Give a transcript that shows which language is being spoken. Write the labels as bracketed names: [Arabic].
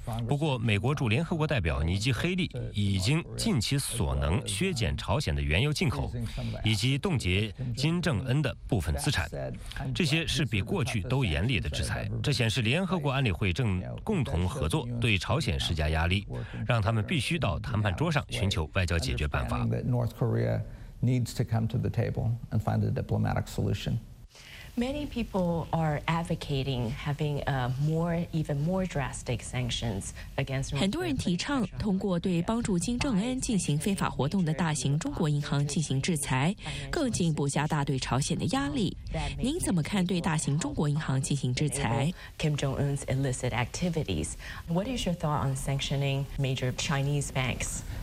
[Chinese] 不过，美国驻联合国代表尼基·黑利已经尽其所能削减朝鲜的原油进口，以及冻结金正恩的部分资产。这些是比过去都严厉的制裁。这显示联合国安理会正共同合作对朝鲜施加压力，让他们必须到谈判桌上寻求外交解决办法。 [English] Needs to come to the table and find a diplomatic solution. Many people are advocating having a more, even more drastic sanctions against. [Chinese] 很多人提倡通过对帮助金正恩进行非法活动的大型中国银行进行制裁，更进一步加大对朝鲜的压力。您怎么看对大型中国银行进行制裁 [English] ？Kim Jong Un's illicit activities. What is your thought on sanctioning major Chinese banks?